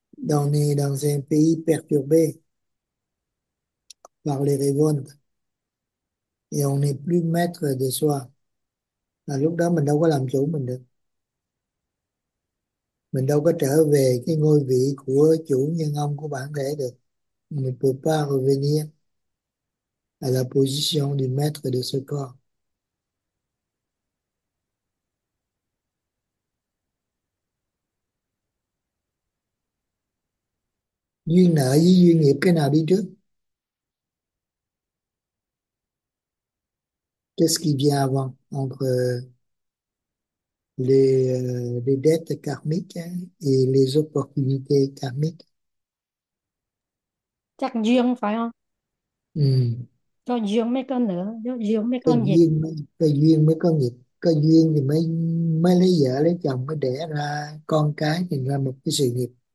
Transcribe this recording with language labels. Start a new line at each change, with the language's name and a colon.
French: On est dans un pays perturbé par les révoltes. Et on n'est plus maître de soi.
Vietnamese: À lúc đó mình đâu có làm chủ mình được. Mình đâu có trở về cái ngôi vị của chủ nhân ông của bản thể được. Mình
French: peut pas revenir à la position du maître de ce corps.
Vietnamese: Duyên nợ với duyên nghiệp cái nào đi trước?
French: Qu'est-ce qui vient avant entre les dettes karmiques et les opportunités karmiques.
Vietnamese: Chắc duyên phải không? Cho duyên mới có nữa, cho duyên mới Cái có nhiệt. duyên mới, có nghiệp, có duyên thì mới mới lấy vợ lấy chồng, mới đẻ ra con cái, thì ra một cái sự nghiệp.